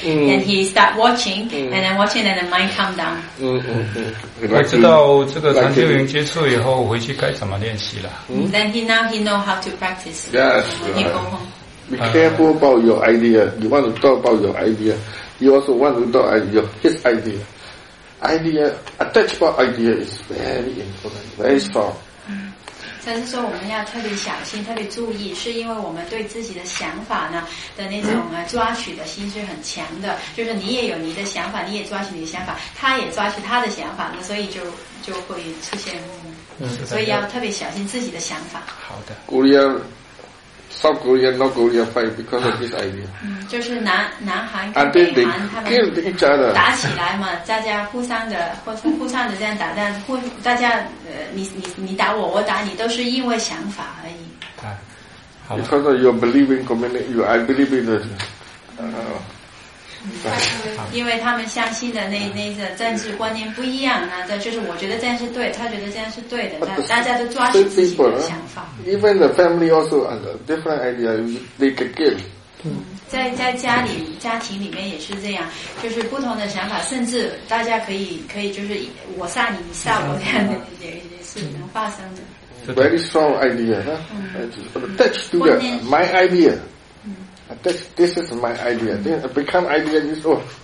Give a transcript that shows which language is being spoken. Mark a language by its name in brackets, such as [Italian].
[English] And he start watching and then watching and the mind calm down. [Chinese] 我知道这个禅修营结束以后回去该怎么练习了。 [English] Then he know how to practice. Yes. Be careful about your idea. You want to talk about your idea. He also wants to talk about his idea. Idea, attachable idea is very important, very strong. [Chinese] 但是说我们要特别小心，特别注意，是因为我们对自己的想法呢的那种抓取的心是很强的，就是你也有你的想法，你也抓取你的想法，他也抓取他的想法，那所以就会出现误会。所以要特别小心自己的想法。好的。 [English] South Korea, North Korea fight because of this idea. [Chinese] 就是南韩跟北韩他们打起来嘛，大家互相的这样打，但大家你打我，我打你，都是因为想法而已。好。 [English] Because of your believing community, I believe in this. [Chinese] 因为他们相信的那个政治观念不一样，那这就是我觉得这样是对，他觉得这样是对的，大家都抓住自己的想法。 [English] Even the family also has a different idea they can give. [Chinese] 在家里家庭里面也是这样，就是不同的想法，甚至大家可以就是我杀你，你杀我，这样的也是能发生的。 [English] Very strong idea, attach to your my idea. This is my idea. Then become idea is all.